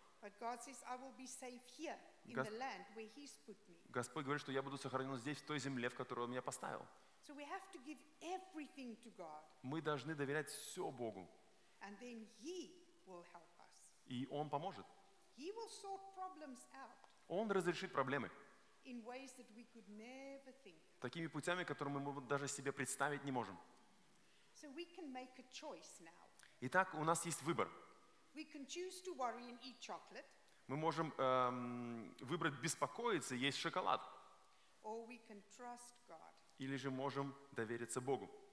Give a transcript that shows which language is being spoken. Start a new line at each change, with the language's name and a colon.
English: But God says, "I will be safe here in the land where He's put me."
Russian: Господь говорит, что я буду сохранен здесь, в той земле, в которую Он меня поставил.
English: So we have to give everything to God.
Russian: Мы должны доверять все Богу.
English: And then He will help us.
Russian: И Он поможет.
English: He will sort problems out.
Russian: Он разрешит проблемы.
English: In ways that we could never think.
Russian: Такими путями, которые мы даже себе представить не можем.
English: So we can make a choice now.
Russian: Итак, у нас есть выбор.
English: We can choose to worry and eat chocolate.
Russian: Мы можем выбрать беспокоиться и есть шоколад.
English: Or we can trust God.
Russian: Или же можем довериться Богу.